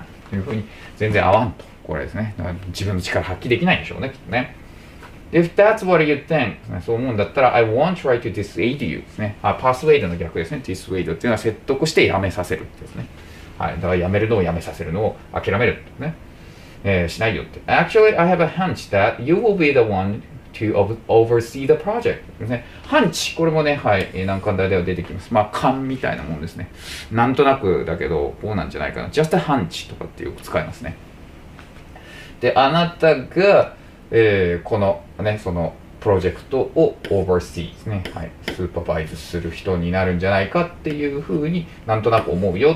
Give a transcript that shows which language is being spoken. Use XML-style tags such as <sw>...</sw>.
<ja>というふうに全然合わんと。これですね。だから自分の力発揮できないんでしょうね、きっとね。</ja> <en>If that's what you think、ね、</en> <ja>そう思うんだったら、</ja> <en>I won't try to dissuade you</en> <ja>ですね。あ、persuade の逆ですね。dissuade っていうのは説得してやめさせるってですね。はい、だから辞めるのを辞めさせるのを諦めるってね、しないよって。</ja> <en>Actually, I have a hunch that you will be the one to oversee the project.</en> <ja>ね、ハンチ、これもね、はい、難関大では出てきます。まあ勘みたいなもんですね。なんとなくだけどこうなんじゃないかな。</ja> <en>Just a hunch</en> <ja>とかってよく使いますね。で、あなたが、このね、そのプロジェクトを oversee ですね、はい、スーパーバイズする人になるんじゃないかっていうふうになんとなく思うよ。</ja>